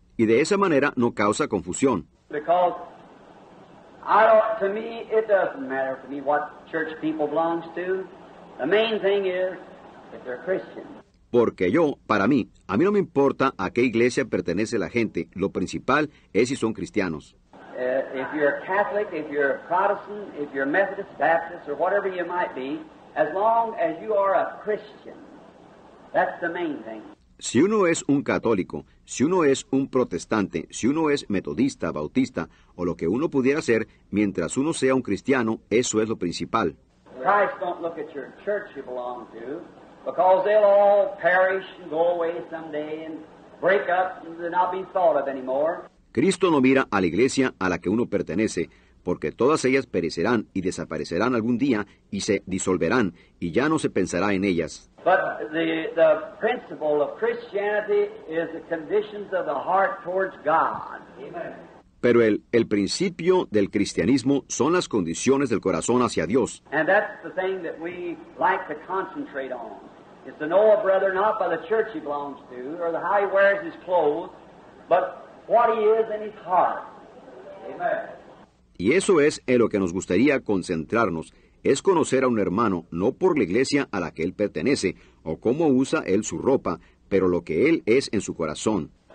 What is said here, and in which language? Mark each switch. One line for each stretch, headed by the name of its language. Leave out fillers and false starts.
Spanish: Y de esa manera no causa confusión.
English: Because I don't, to me, it doesn't matter to me what church people belongs to. The main thing is if they're Christian.
Spanish: Porque yo, para mí, a mí no me importa a qué iglesia pertenece la gente. Lo principal es si son cristianos.
English: If you're Catholic, if you're Protestant, if you're Methodist, Baptist, or whatever you might be, as long as you are a Christian, that's the main thing.
Spanish: Si uno es un católico, si uno es un protestante, si uno es metodista, bautista, o lo que uno pudiera ser, mientras uno sea un cristiano, eso es lo principal.
English: Christ don't look at your church you belong to, because they'll all perish and go away someday and break up and not be thought of anymore.
Spanish: Cristo no mira a la iglesia a la que uno pertenece, porque todas ellas perecerán y desaparecerán algún día y se disolverán y ya no se pensará en ellas.
English: But the principle of Christianity is the conditions of the heart towards God. Amen.
Spanish: Pero el principio del cristianismo son las condiciones del corazón hacia Dios.
English: And that's the thing that we like to concentrate on. It's to know a brother not by the church he belongs to or the how he wears his clothes, but what he is in his heart. Amen.
Spanish: Y eso es en lo que nos gustaría concentrarnos, es conocer a un hermano, no por la iglesia a la que él pertenece, o cómo usa él su ropa, pero lo que él es en su corazón.